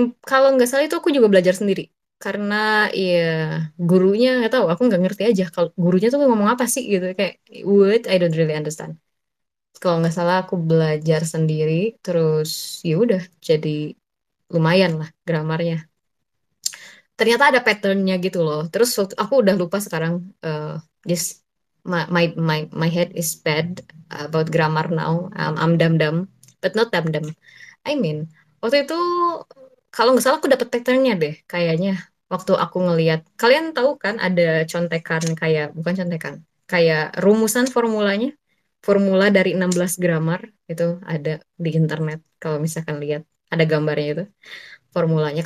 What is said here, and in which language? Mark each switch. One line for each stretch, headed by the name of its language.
Indonesian: Kalau nggak salah itu aku juga belajar sendiri karena ya gurunya nggak tahu, aku nggak ngerti aja kalau gurunya tuh ngomong apa sih gitu, kayak what, I don't really understand. Kalau nggak salah aku belajar sendiri, terus ya udah jadi lumayan lah grammarnya. Ternyata ada patternnya gitu loh. Terus aku udah lupa sekarang.
English: Just my head is bad about grammar now. I'm dumb dumb, but not dumb dumb.
Indonesian: I mean, waktu itu kalau nggak salah aku dapet patternnya deh. Kayaknya waktu aku ngeliat, kalian tahu kan ada contekan, kayak bukan contekan, kayak rumusan formulanya, formula dari 16 grammar itu ada di internet. Kalau misalkan lihat ada gambarnya itu formulanya.